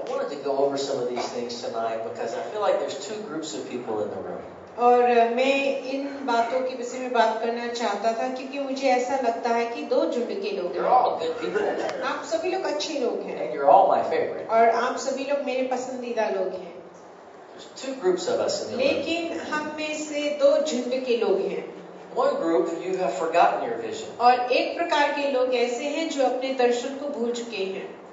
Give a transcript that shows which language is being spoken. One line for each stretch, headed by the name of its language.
English: To go over some of these things tonight because I feel like there's two groups of people in the room.
Hindi: और मैं इन बातों के विषय में बात करना चाहता था क्योंकि मुझे ऐसा लगता है कि दो जुट के लोग हैं.
English: You're all good people.
Hindi: आप सभी लोग अच्छे लोग हैं.
English: And you're all my favorite.
Hindi: और आप सभी लोग मेरे पसंदीदा लोग हैं.
English: There's two groups of us in the room.
Hindi: लेकिन हम में से दो जुट के लोग हैं.
English: One group, you have forgotten your vision.
Hindi: और एक प्रकार के लोग ऐसे हैं जो अपने दर्शन को भूल चुके हैं.